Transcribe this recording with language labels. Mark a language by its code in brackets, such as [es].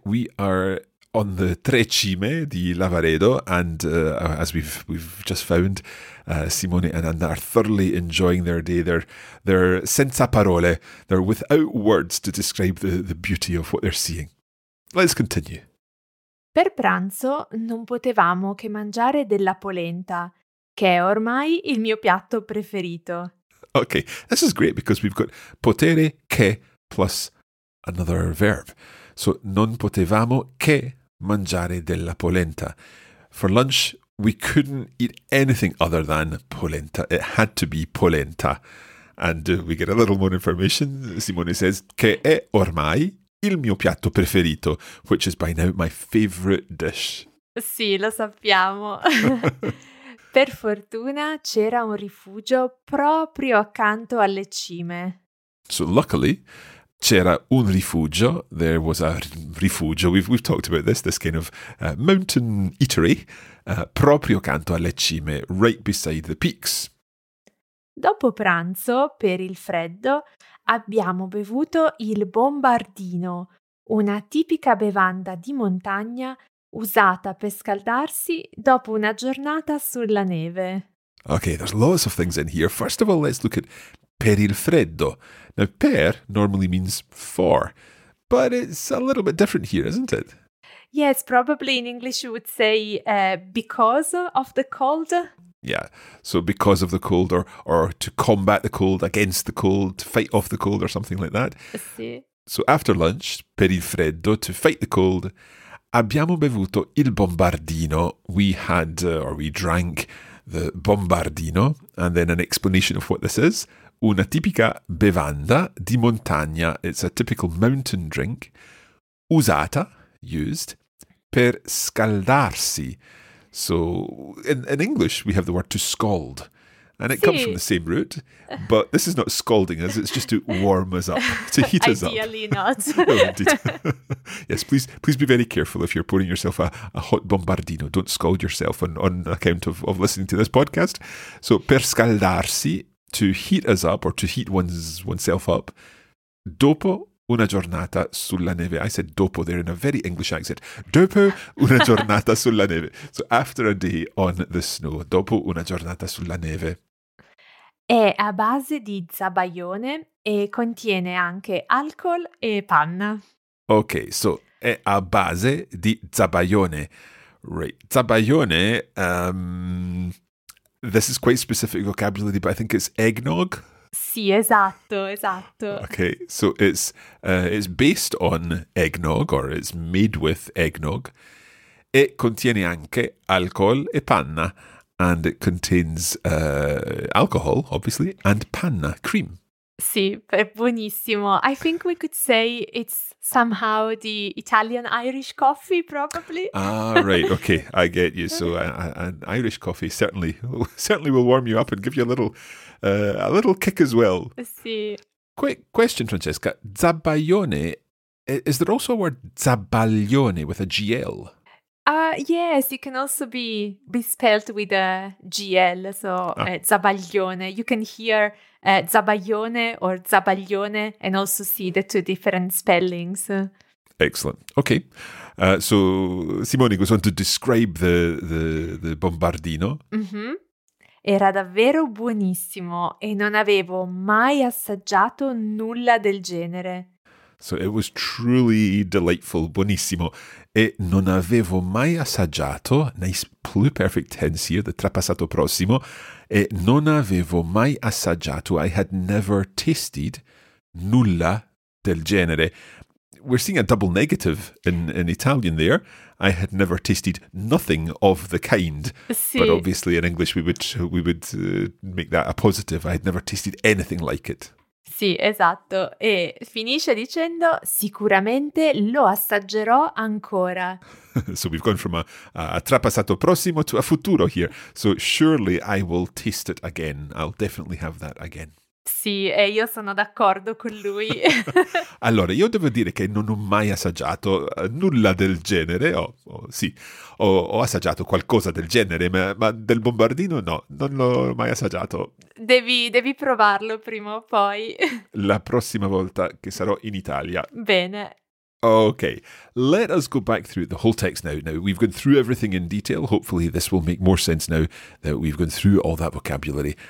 [en] We are on the Tre Cime di Lavaredo, and as we've just found, Simone and Anna are thoroughly enjoying their day. They're [it] senza parole. [en] They're without words to describe the beauty of what they're seeing. Let's continue. [it] Per pranzo non potevamo che mangiare della polenta, che è ormai il mio piatto preferito. [en] Okay, this is great because we've got potere che plus another verb. [it] So, non potevamo che mangiare della polenta. [en] For lunch, we couldn't eat anything other than polenta. It had to be polenta. And we get a little more information. Simone says, [it] che è ormai il mio piatto preferito, [en] which is by now my favorite dish. [it] Sì, lo sappiamo. Per fortuna c'era un rifugio proprio accanto alle cime. [en] So luckily, [it] c'era un rifugio, [en] there was a rifugio, we've talked about this kind of mountain eatery, [it] proprio accanto alle cime, [en] right beside the peaks. [it] Dopo pranzo, per il freddo, abbiamo bevuto il bombardino, una tipica bevanda di montagna usata per scaldarsi dopo una giornata sulla neve. [en] Okay, there's lots of things in here. First of all, let's look at [it] per il freddo. [en] Now, per normally means for, but it's a little bit different here, isn't it? Yes, probably in English you would say because of the cold. Yeah, so because of the cold or to combat the cold, against the cold, to fight off the cold or something like that. [it] Sì. [en] So after lunch, [it] per il freddo, [en] to fight the cold, [it] abbiamo bevuto il bombardino. [en] We had or we drank the bombardino, and then an explanation of what this is. [it] Una tipica bevanda di montagna. [en] It's a typical mountain drink. Usata, used, [it] per scaldarsi. [en] So in English we have the word to scald, and it [it] sì. [en] comes from the same root, but this is not scalding us, it's just to warm us up, to heat us up. Ideally not. No, indeed. Yes, please be very careful if you're pouring yourself a hot bombardino. Don't scald yourself on account of listening to this podcast. So [it] per scaldarsi, [en] to heat us up or to heat oneself up, [it] dopo una giornata sulla neve. [en] I said dopo there in a very English accent. [it] Dopo una giornata sulla neve. [en] So after a day on the snow. [it] Dopo una giornata sulla neve. È a base di zabaione e contiene anche alcol e panna. Ok, so è a base di zabaione. [en] Right. Zabaione, this is quite specific vocabulary, but I think it's eggnog. [it] Sì, esatto, esatto. [en] Okay, so it's based on eggnog, or it's made with eggnog. [it] E contiene anche alcol e panna. [en] And it contains alcohol, obviously, and panna, cream. [it] Sì, è buonissimo. [en] I think we could say it's somehow the Italian-Irish coffee, probably. Ah, right, okay, I get you. So an Irish coffee certainly will warm you up and give you a little kick as well. [it] Sì. [en] Quick question, Francesca. Zabaglione, is there also a word zabaglione with a GL? Yes, it can also be spelled with a GL, so zabaglione. You can hear zabaglione or zabaglione and also see the two different spellings. Excellent. Okay. So Simone goes on to describe the bombardino. Mm-hmm. [it] Era davvero buonissimo e non avevo mai assaggiato nulla del genere. [en] So it was truly delightful, buonissimo. [it] E non avevo mai assaggiato, [en] nice pluperfect tense here, the trapassato prossimo, [it] e non avevo mai assaggiato, [en] I had never tasted, [it] nulla del genere. [en] We're seeing a double negative in Italian there. I had never tasted nothing of the kind. Sì. But obviously in English we would make that a positive. I had never tasted anything like it. [it] Sì, esatto. E finisce dicendo, sicuramente lo assaggerò ancora. So we've gone from a trapassato prossimo to a futuro here. So surely I will taste it again. I'll definitely have that again. Sì, e io sono d'accordo con lui. Allora, io devo dire che non ho mai assaggiato nulla del genere. Ho assaggiato qualcosa del genere, ma del bombardino no, non l'ho mai assaggiato. Devi provarlo prima o poi. La prossima volta che sarò in Italia. Bene. [en] Okay, let us go back through the whole text now. Now, we've gone through everything in detail. Hopefully this will make more sense now that we've gone through all that vocabulary.